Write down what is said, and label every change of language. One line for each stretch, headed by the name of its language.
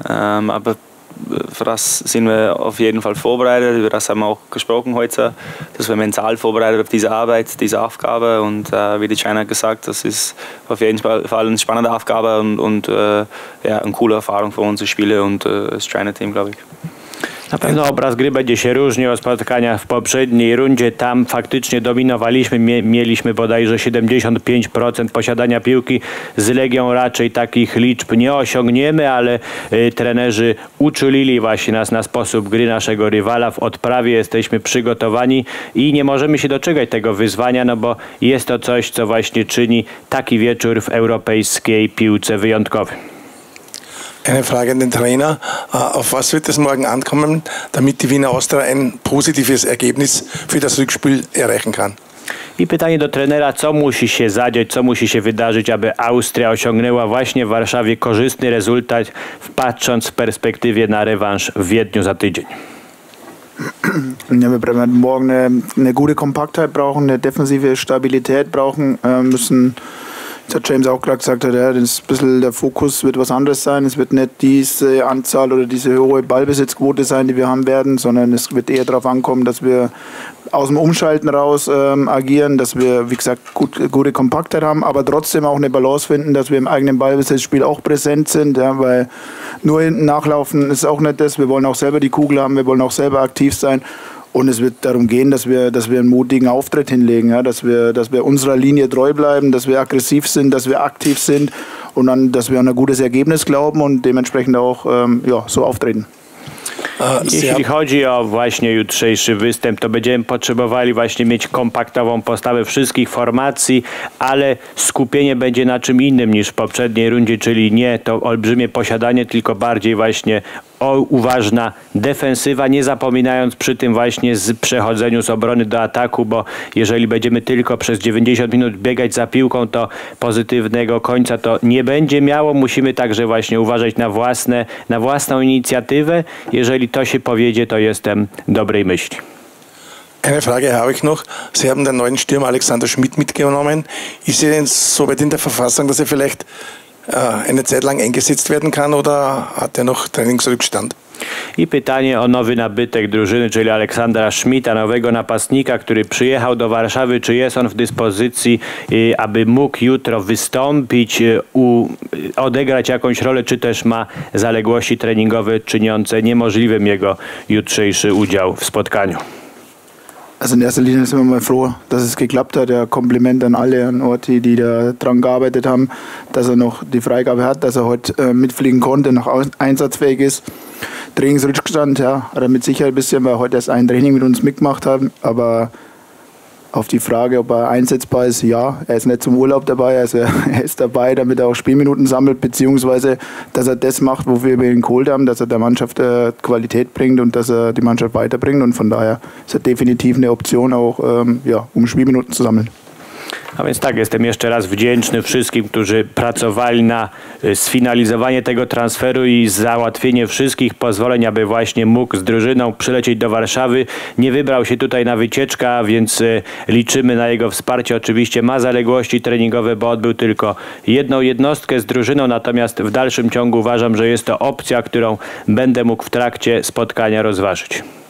German: Aber für das sind wir auf jeden Fall vorbereitet. Über das haben wir auch gesprochen heute, dass wir mental vorbereitet auf diese Arbeit, diese Aufgabe. Und wie der Trainer gesagt, das ist auf jeden Fall eine spannende Aufgabe und eine coole Erfahrung für unsere Spieler und das Trainerteam, glaube ich.
Polish: Na pewno obraz gry będzie się różnił od spotkania w poprzedniej rundzie. Tam faktycznie dominowaliśmy, mieliśmy bodajże 75% posiadania piłki. Z Legią raczej takich liczb nie osiągniemy, ale trenerzy uczulili właśnie nas na sposób gry naszego rywala. W odprawie jesteśmy przygotowani i nie możemy się doczekać tego wyzwania, no bo jest to coś, co właśnie czyni taki wieczór w europejskiej piłce wyjątkowy.
German: Eine Frage an den Trainer. Auf was wird es morgen ankommen, damit die Wiener Austria ein positives Ergebnis für das Rückspiel erreichen kann?
Polish: I pytanie do trenera, co musi się zadziać, co musi się wydarzyć, aby Austria osiągnęła właśnie w Warszawie korzystny rezultat, patrząc w perspektywie na rewanż w Wiedniu za tydzień.
German: Ja, wir brauchen morgen eine gute Kompaktheit brauchen, eine defensive Stabilität brauchen, müssen. Das hat James auch gerade gesagt, ja, das ist ein bisschen der Fokus wird was anderes sein. Es wird nicht diese Anzahl oder diese hohe Ballbesitzquote sein, die wir haben werden, sondern es wird eher darauf ankommen, dass wir aus dem Umschalten raus agieren, dass wir, wie gesagt, gute Kompaktheit haben, aber trotzdem auch eine Balance finden, dass wir im eigenen Ballbesitzspiel auch präsent sind, ja, weil nur hinten nachlaufen ist auch nicht das. Wir wollen auch selber die Kugel haben, wir wollen auch selber aktiv sein. Und es wird darum gehen, dass wir einen mutigen Auftritt hinlegen, ja? dass wir unserer Linie treu bleiben, dass wir aggressiv sind, dass wir aktiv sind und dann, dass wir an ein gutes Ergebnis glauben und dementsprechend auch so auftreten.
Polish: Jeśli chodzi o właśnie jutrzejszy występ, to będziemy potrzebowali właśnie mieć kompaktową postawę wszystkich formacji, ale skupienie będzie na czym innym niż w poprzedniej rundzie, czyli nie to olbrzymie posiadanie, tylko bardziej właśnie uważna defensywa, nie zapominając przy tym właśnie z przechodzeniu z obrony do ataku, bo jeżeli będziemy tylko przez 90 minut biegać za piłką, to pozytywnego końca to nie będzie miało. Musimy także właśnie uważać na własną inicjatywę. Jeżeli to się powiedzie, to jestem dobrej myśli.
German: Eine Frage habe ich noch. Sie haben den neuen Stürmer Alexander Schmidt mitgenommen. Ist er denn so weit in der Verfassung, dass er vielleicht eine Zeit lang eingesetzt werden kann oder hat er noch Trainingsrückstand?
Polish: I pytanie o nowy nabytek drużyny, czyli Aleksandra Schmidta, nowego napastnika, który przyjechał do Warszawy. Czy jest on w dyspozycji, aby mógł jutro wystąpić, odegrać jakąś rolę, czy też ma zaległości treningowe czyniące niemożliwym jego jutrzejszy udział w spotkaniu?
German: Also in erster Linie sind wir mal froh, dass es geklappt hat. Ja, Kompliment an alle, an Orti, die da dran gearbeitet haben, dass er noch die Freigabe hat, dass er heute mitfliegen konnte, noch einsatzfähig ist. Trainingsrückstand, ja, hat er mit Sicherheit ein bisschen, weil er heute erst ein Training mit uns mitgemacht hat. Aber auf die Frage, ob er einsetzbar ist, ja, er ist nicht zum Urlaub dabei. Also er ist dabei, damit er auch Spielminuten sammelt, beziehungsweise, dass er das macht, wofür wir ihn geholt haben, dass er der Mannschaft Qualität bringt und dass er die Mannschaft weiterbringt. Und von daher ist er definitiv eine Option, auch um Spielminuten zu sammeln.
Polish: A więc tak, jestem jeszcze raz wdzięczny wszystkim, którzy pracowali na sfinalizowanie tego transferu i załatwienie wszystkich pozwoleń, aby właśnie mógł z drużyną przylecieć do Warszawy. Nie wybrał się tutaj na wycieczkę, więc liczymy na jego wsparcie. Oczywiście ma zaległości treningowe, bo odbył tylko jedną jednostkę z drużyną, natomiast w dalszym ciągu uważam, że jest to opcja, którą będę mógł w trakcie spotkania rozważyć.